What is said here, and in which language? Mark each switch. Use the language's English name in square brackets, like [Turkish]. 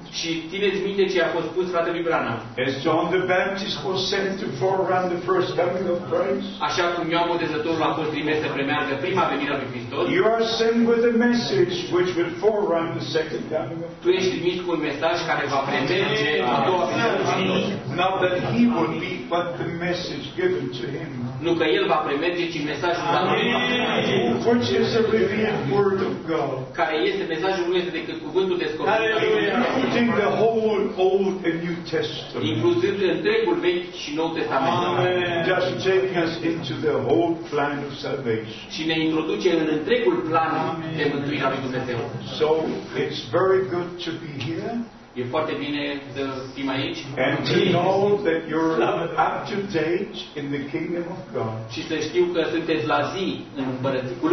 [Romanian] Și țineți minte ce a fost spus fratele Branham. [English] As John the Baptist was sent to forerun the first coming of Christ. [Romanian] Așa cum Ioan Botezătorul a fost trimis să premeargă prima venire a lui Hristos. [English] You are sent with a message which will forerun the second coming of Christ. [Romanian] Tu ești trimis cu un mesaj care va premerge a doua venire a lui Hristos. [English] Not that he will be, but the message given to him. [Romanian] Nu că el va premerge, ci mesajul dat lui. [English] Which is a revealed word of God. [Romanian] Care este mesajul este decât cuvântul descoperit. [English] In the whole Old and New Testament. [Romanian] Inclusiv întregul Vechi și Nou Testament. Amen. [English] Just taking us into the whole plan of salvation. [Romanian] Și ne introduce în întregul plan de mântuire a lui Dumnezeu. [English] So it's very good to be here. [Romanian] E foarte bine să fim aici. [English] And to know that you're up to date in the kingdom of God. [Romanian] Și să știu că sunteți la zi în împărăția lui